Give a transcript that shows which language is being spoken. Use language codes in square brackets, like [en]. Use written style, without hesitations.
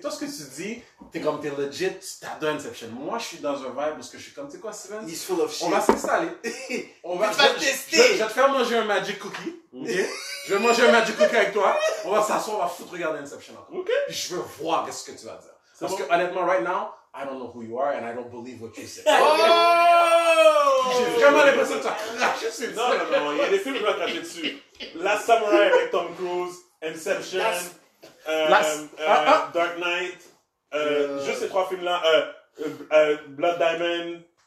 [fr] Toi, ce que tu dis, t'es comme t'es legit, t'adores Inception. Moi, je suis dans un vibe parce que je suis comme, tu sais quoi, Steven? [en] He's full of shit. [fr] On va s'installer. tu vas tester. Je vais te faire manger un Magic Cookie, ok? Je vais manger un Magic Cookie avec toi. On va s'asseoir, on va foutre regarder Inception encore. Ok. Puis je veux voir ce que tu vas dire. Parce que honnêtement, [en] right now, I don't know who you are and I don't believe what you say. Oh! [fr] J'ai vraiment l'impression que tu as craché dessus. Non, il y a des films que je vais cracher dessus. Last Samurai avec Tom Cruise, Inception, Dark Knight, juste ces trois films-là, Blood Diamond.